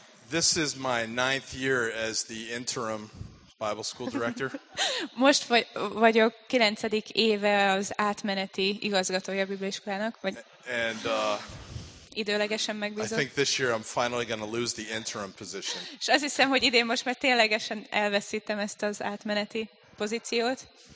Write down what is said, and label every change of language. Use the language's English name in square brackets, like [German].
[English] This is my ninth year as the interim Bible school director. [Hungarian] Most vagyok 9. éve az átmeneti igazgatója a bibliaiskolának, vagy... [English] And, [Hungarian] időlegesen megbízott. [English] I think this year I'm finally going to lose the interim position. [Hungarian] És azt hiszem, hogy idén most már ténylegesen elveszítem ezt az átmeneti pozíciót.